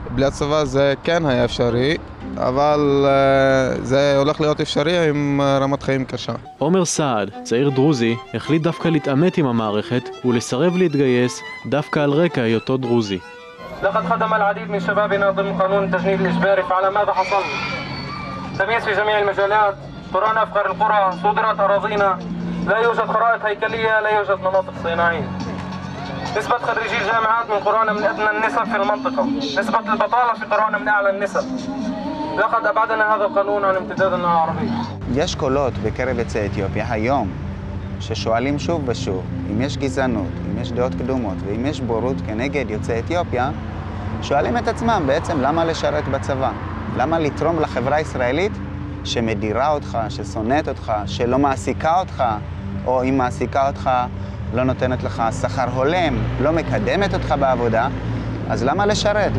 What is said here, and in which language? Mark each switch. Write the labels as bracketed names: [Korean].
[Hebrew] בלי הצבא זה כן היה אפשרי, אבל זה הולך להיות אפשרי עם רמת חיים קשה. עומר סעד, צעיר דרוזי, החליט דווקא להתעמת עם המערכת ולסרב להתגייס דווקא על רקע היותו דרוזי. לכת חדם על עדיד משבא בנאדם חנון תשניב לשברף, על מה זה חסל? [Arabic] تمييز في جميع المجالات. قرانا افقر القرى صدرت اراضينا. لا يوجد خرائط هيكليه, لا يوجد مناطق صناعيه. نسبه خريجي الجامعات من قرانا من ادنى النسب في المنطقه. نسبه البطاله في قرانا من اعلى النسب. لقد ابعدنا هذا القانون عن امتدادنا العربي. [Hebrew] יש קולות בקרב יוצאי אתיופיה היום ששואלים שוב ושוב אם יש גזענות, אם יש דעות קדומות ואם יש בורות כנגד יוצאי אתיופיה, שואלים את עצמם בעצם למה לשרת בצבא, למה לתרום לחברה הישראלית שמדירה אותך, ששונאת אותך, שלא מעסיקה אותך, או אם מעסיקה אותך לא נותנת לך שכר הולם, לא מקדמת אותך בעבודה, אז למה לשרת?